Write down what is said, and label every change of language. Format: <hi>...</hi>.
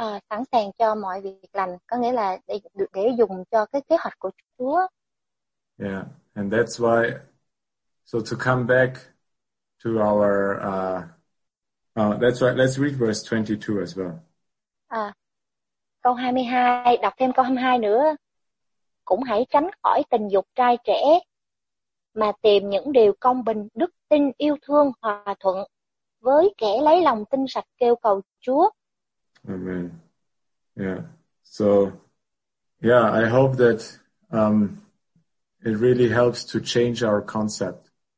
<vi>Sẵn sàng cho mọi việc lành, có nghĩa là để dùng cho cái kế hoạch của Chúa.</vi> <en>Yeah, and that's why, so to come back to our that's why, let's read verse 22 as well.</en> <vi>Câu 22, đọc thêm câu 22 nữa. Cũng hãy tránh khỏi tình dục trai trẻ, mà tìm những điều công bình, đức tin, yêu thương, hòa thuận với kẻ lấy lòng tin sạch kêu cầu Chúa. Amen. Yeah.</vi> <en>So, yeah, I hope that it really helps to change our concept.</en>